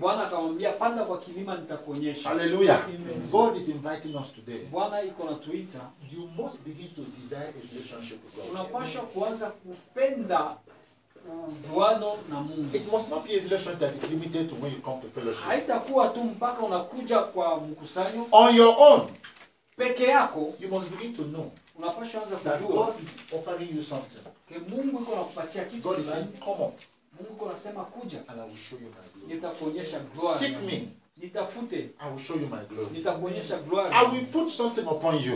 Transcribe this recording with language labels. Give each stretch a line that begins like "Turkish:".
Swahili: Bwana akamwambia, "Panda kwa kilima nitakuonyesha."
English: Hallelujah. Amen. God is inviting us today.
Swahili: Bwana iko na tuita,
English: you must begin to desire a relationship with God.
Swahili: Unapaswa kuanza kupenda Bwana na Mungu.
English: It must not be a relationship that is limited to when you come to fellowship.
Swahili: Haitakuwa tu mpaka unakuja kwa mkusanyo.
English: On your own.
Swahili: Peke yako,
English: you must begin to know.
Swahili: Unapaswa anza kujua
English: God is offering you something.
Swahili: Ke Mungu iko na kupatia kitu.
English: God is saying, come on.
Swahili: Mungu iko nasema kuja.
English: And I will show you my glory.
Swahili: Nitakuonyesha glory.
English: Seek me.
Swahili: Nitafute.
English: I will show you my glory.
Swahili: Nitakuonyesha glory.
English: I will put something upon you.